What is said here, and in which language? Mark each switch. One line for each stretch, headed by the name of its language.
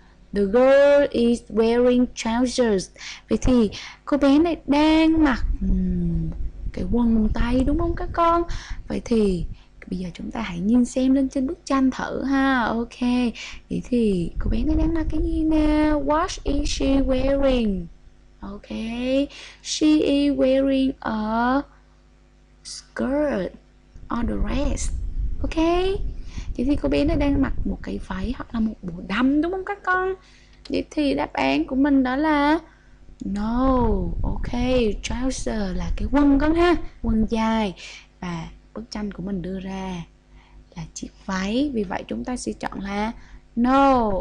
English: The girl is wearing trousers.
Vietnamese: Vậy thì cô bé này đang mặc cái quần tây đúng không các con? Vậy thì bây giờ chúng ta hãy nhìn xem lên trên bức tranh thử ha. Ok, vậy thì cô bé này đang mặc cái gì nè?
English: What is she wearing? Ok, she is wearing a skirt or the dress.
Vietnamese: Ok, vậy thì cô bé nó đang mặc một cái váy hoặc là một bộ đầm đúng không các con? Vậy thì đáp án của mình đó là no. Ok, trouser là cái quần con ha, quần dài. Và bức tranh của mình đưa ra là chiếc váy, vì vậy chúng ta sẽ chọn là no.